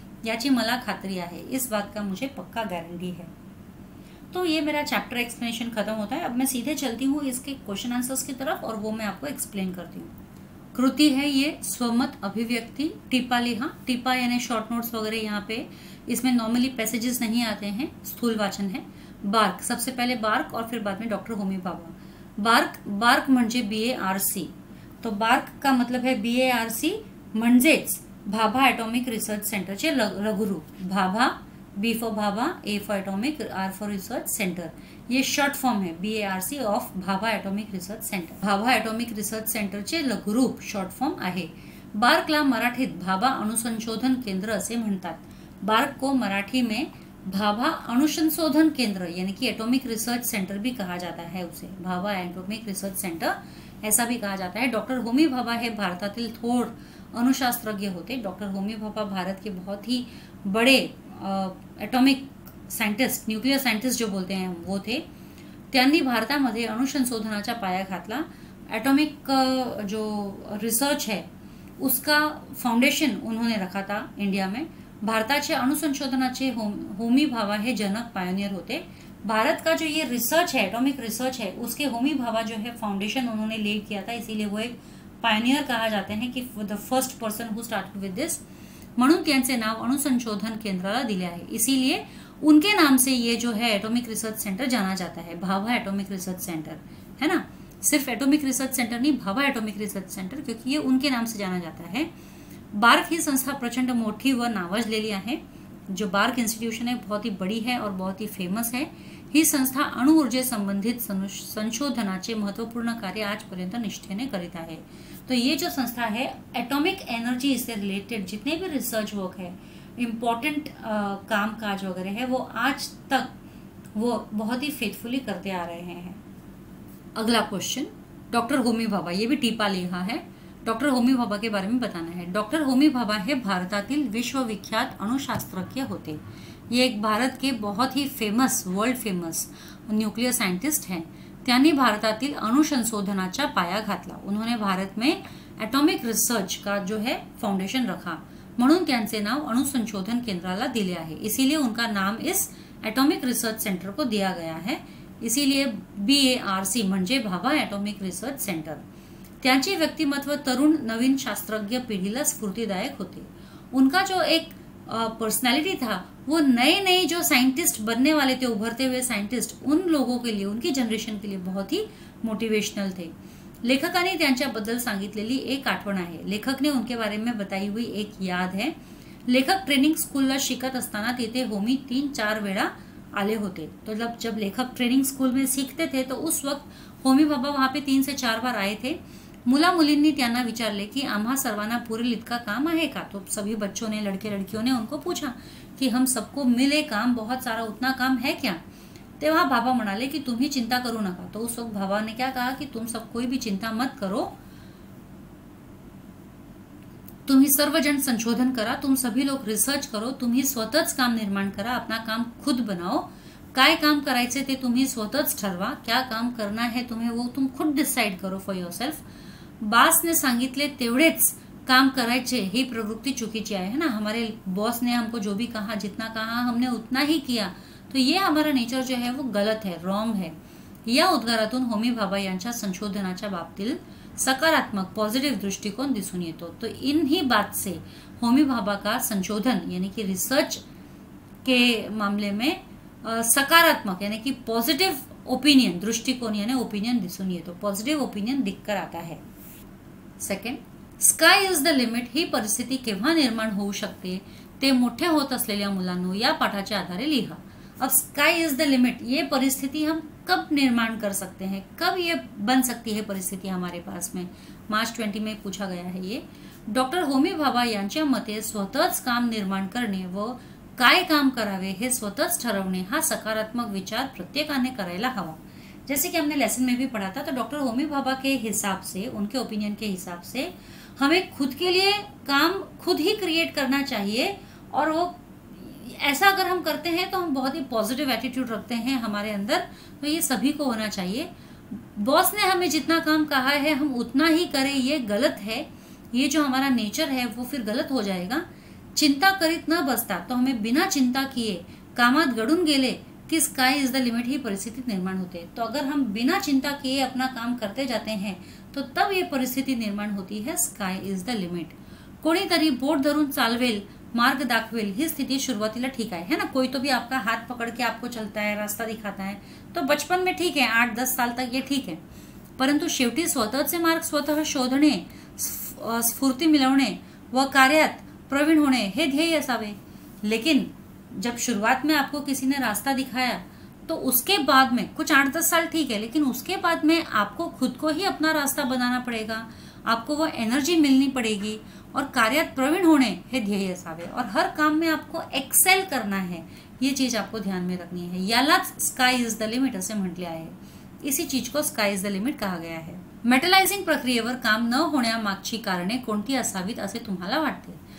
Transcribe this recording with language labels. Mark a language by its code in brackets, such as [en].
[mr] याची मला खात्री आहे, [hi] इस बात का मुझे पक्का गारंटी है. तो ये मेरा चैप्टर एक्सप्लेनेशन खत्म होता है. अब मैं सीधे चलती हूँ इसके क्वेश्चन आंसर्स की तरफ और वो मैं आपको एक्सप्लेन करती हूँ. कृति है ये स्वमत अभिव्यक्ति. [mr] टीपा लिहा, [hi] टीपा यानी शॉर्ट नोट्स वगैरह यहाँ पे इसमें नॉर्मली पैसेजेस नहीं आते हैं, स्थूल वाचन है. बार्क, सबसे पहले बार्क और फिर बाद में डॉक्टर होमी बाबा. बार्क, [mr] बार्क म्हणजे BARC. [hi] तो बार्क का मतलब है BARC [mr] म्हणजेच भाभा एटॉमिक रिसर्च सेंटरचे लघुरू. [hi] Bhabha, B for Bhabha, A for atomic, are for research centre, ये शॉर्ट फॉर्म है BARC of Bhabha atomic research centre. [mr] Bhabha atomic research सेंटरचे लघुरूप शॉर्ट फॉर्म आहे. बार्कला मराठीत भाभा अणुसंशोधन केंद्र असे म्हणतात. [hi] बार्क को मराठी में भाभा अणुसंशोधन केंद्र यानी कि एटॉमिक रिसर्च सेंटर भी कहा जाता है उसे. भाभा एटॉमिक रिसर्च सेंटर ऐसा भी कहा जाता है. [mr] डॉक्टर होमी भाभा है भारतातील थोर अणुशास्त्रज्ञ होते. [hi] डॉक्टर होमी भाभा भारत के बहुत ही बड़े एटॉमिक साइंटिस्ट, न्यूक्लियर साइंटिस्ट जो बोलते हैं वो थे. [mr] त्यांनी भारतामध्ये अणुसंशोधनाचा पाया घातला. [hi] एटॉमिक जो रिसर्च है उसका फाउंडेशन उन्होंने रखा था इंडिया में. [mr] भारताचे अणुसंशोधनाचे होमी भाभा हे जनक पायोनियर होते. [hi] भारत का जो ये रिसर्च है, एटॉमिक रिसर्च है, उसके होमी भाभा जो है फाउंडेशन उन्होंने ले किया था, इसीलिए वो एक पायोनियर कहा जाते हैं कि [en] The first person who started with this. [mr] म्हणून त्यांचे नाव अणुसंशोधन केंद्राला दिले आहे. [hi] इसीलिए उनके नाम से ये जो है एटॉमिक रिसर्च सेंटर जाना जाता है, भाभा एटॉमिक रिसर्च सेंटर, है ना. सिर्फ एटॉमिक रिसर्च सेंटर नहीं, भाभा एटॉमिक रिसर्च सेंटर, क्योंकि ये उनके नाम से जाना जाता है. [mr] बार्क ही संस्था प्रचंड मोठी व नावाज लेली आहे. [hi] जो बार्क इंस्टीट्यूशन है बहुत ही बड़ी है और बहुत ही फेमस है. [mr] ही संस्था अणु ऊर्जे संबंधित संशोधनाचे महत्वपूर्ण कार्य आजपर्यंत निष्ठेने करीत आहे. [hi] तो ये जो संस्था है एटॉमिक एनर्जी से रिलेटेड जितने भी रिसर्च वर्क है, इम्पोर्टेंट काम काज वगैरह है, वो आज तक वो बहुत ही फेथफुली करते आ रहे हैं. अगला क्वेश्चन, डॉक्टर होमी भाभा, ये भी टीपा लिखा है, डॉक्टर होमी भाभा के बारे में बताना है. [mr] डॉक्टर होमी भाभा है भारतातील विश्वविख्यात अणुशास्त्रज्ञ होते. [hi] ये एक भारत के बहुत ही famous, world famous nuclear scientist हैं. [mr] त्यांनी भारतातील अणुसंशोधनाचा पाया घातला. [hi] उन्होंने भारत में एटॉमिक रिसर्च का जो है फाउंडेशन रखा. [mr] म्हणून त्यांचे नाव अणुसंशोधन केंद्राला दिले आहे. [hi] इसीलिए उनका नाम इस एटॉमिक रिसर्च सेंटर को दिया गया है. [mr] इसीलिए BARC म्हणजे भाभा एटॉमिक रिसर्च सेंटर. त्यांचे व्यक्तिमत्व तरुण नवीन शास्त्रज्ञ पीढ़ीला स्फूर्तिदायक होते. [hi] उनका जो एक पर्सनैलिटी था वो नए नए जो साइंटिस्ट बनने वाले थे, उभरते हुए साइंटिस्ट, उन लोगों के लिए, उनकी जनरेशन के लिए बहुत ही मोटिवेशनल थे. [mr] लेखकांनी त्यांच्याबद्दल सांगितलेली एक आठवण आहे. [hi] लेखक ने उनके बारे में बताई हुई एक याद है. [mr] लेखक ट्रेनिंग स्कूलला शिकत असताना तिथे होमी 3-4 वेळा आले होते. [hi] तो जब लेखक ट्रेनिंग स्कूल में सीखते थे तो उस वक्त होमी बाबा वहां पे 3-4 बार आए थे. [mr] मुला मुलींनी त्यांना विचारले की आम्हा सर्वांना पुरेल इतका काम आहे का. [hi] तो सभी बच्चों ने लड़के लड़कियों ने उनको पूछा की हम सबको मिले काम बहुत सारा उतना काम है क्या. [mr] तेव्हा बाबा म्हणाले की तुम्ही चिंता करू नका. [hi] तो उस वक्त बाबा ने क्या कहा की तुम सब कोई भी चिंता मत करो, [mr] तुम्ही सर्वजण संशोधन करा, [hi] तुम सभी लोग रिसर्च करो, [mr] तुम्ही स्वतःच काम निर्माण करा, [hi] अपना काम खुद बनाओ. [mr] काय काम करायचे ते तुम्ही स्वतःच ठरवा, [hi] क्या काम करना है तुम्हें वो तुम खुद डिसाइड करो [en] For yourself. [mr] बॉस ने सांगितले तेवढेच काम करायचे ही प्रवृत्ति चुकीची आहे, है ना. [hi] हमारे बॉस ने हमको जो भी कहा, जितना कहा हमने उतना ही किया, तो ये हमारा नेचर जो है वो गलत है, रॉन्ग है. [mr] या उद्गारातून होमी भाभा यांच्या संशोधनाच्या बाबतील सकारात्मक पॉझिटिव्ह दृष्टिकोन दिसून येतो. [hi] तो इन ही बात से होमी भाभा का संशोधन यानी कि रिसर्च के मामले में सकारात्मक यानी कि पॉझिटिव्ह ओपिनियन दृष्टिकोन यानी ओपिनियन [mr] दिसून येतो, [hi] पॉझिटिव्ह ओपिनियन दिक्कर आता है. [mr] Second, sky is the limit ही परिस्थिती केव्हा निर्माण होऊ शकते ते मोठे होत असलेल्या मुलांना या पाठाच्या आधारे लिहा. [hi] अब स्काई इज द लिमिट, ये परिस्थिति हम कब निर्माण कर सकते हैं, कब ये बन सकती है परिस्थिति हमारे पास में, मार्च 20 में पूछा गया है ये. [mr] डॉक्टर होमी भाभा यांच्या मते स्वतःच काम निर्माण करणे व काय काम करावे हे स्वतःच ठरवणे हा सकारात्मक विचार प्रत्येकाने करायला हवा. [hi] जैसे कि हमने लेसन में भी पढ़ा था, तो डॉक्टर होमी भाभा के हिसाब से, उनके ओपिनियन के हिसाब से हमें खुद के लिए काम खुद ही क्रिएट करना चाहिए. और वो ऐसा अगर हम करते हैं तो हम बहुत ही पॉजिटिव एटीट्यूड रखते हैं हमारे अंदर, तो ये सभी को होना चाहिए. बॉस ने हमें जितना काम कहा है हम उतना ही करें, ये गलत है. ये जो हमारा नेचर है वो फिर गलत हो जाएगा. [mr] चिंता करित न बसता, [hi] तो हमें बिना चिंता किए [mr] कामात गड़ून गेले [hi] कि स्काई इज द लिमिट ही परिस्थिति निर्माण होते. तो अगर हम बिना चिंता किए अपना काम करते जाते हैं तो तब ये परिस्थिति निर्माण होती है, स्काई इज द लिमिट. [mr] कोणीतरी बोट धरून चालवेल, मार्ग दाखवेल, ही स्थिती सुरुवातीला ठीक आहे, है ना. [hi] कोई तो भी आपका हात पकड़ के आपको चलता है, रास्ता दिखाता है, तो बचपन में ठीक है, 8-10 साल तक ये ठीक है. [mr] परंतु शेवटी स्वतःचे मार्ग स्वतः शोधणे, स्फूर्ती मिळवणे व कार्यात प्रवीण होणे हे ध्येय असावे. [hi] लेकिन जब शुरुआत में आपको किसी ने रास्ता दिखाया तो उसके बाद में कुछ 8-10 साल ठीक है, लेकिन उसके बाद में आपको खुद को ही अपना रास्ता बनाना पड़ेगा, आपको वो एनर्जी मिलनी पड़ेगी और [mr] कार्यात प्रवीण होने है ध्येय असावे. [hi] और हर काम में आपको एक्सेल करना है, ये चीज आपको ध्यान में रखनी है. [mr] यालाच स्काई इज द लिमिट असे म्हटले आहे, [hi] इसी चीज को स्काई इज द लिमिट कहा गया है. [mr] मेटलाइजिंग प्रक्रियेवर काम न होण्यामागची कारणे कोणती असावीत असे तुम्हाला वाटते.